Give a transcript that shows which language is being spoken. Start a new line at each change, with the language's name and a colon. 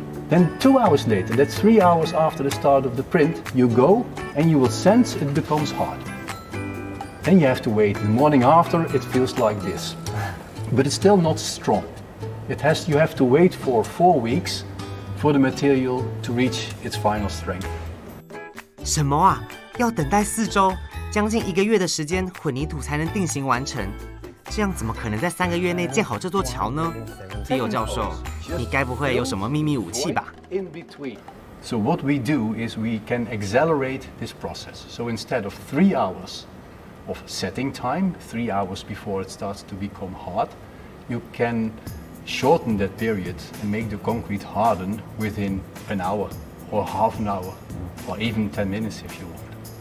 English: Then 2 hours later, that's 3 hours after the start of the print, you go and you will sense it becomes hard. Then you have to wait. The morning after, it feels like this. But it's still not strong. You have to wait for 4 weeks for the material to reach its final strength.
Chinese: 什么啊？要等待4周，将近1个月的时间，混凝土才能定型完成。这样怎么可能在3个月内建好这座桥呢？Leo 教授，你该不会有什么秘密武器吧？
English: So what we do is we can accelerate this process. So instead of 3 hours of setting time, 3 hours before it starts to become hard, you can shorten that period and make the concrete harden within an hour or half an hour or even 10 minutes if you want.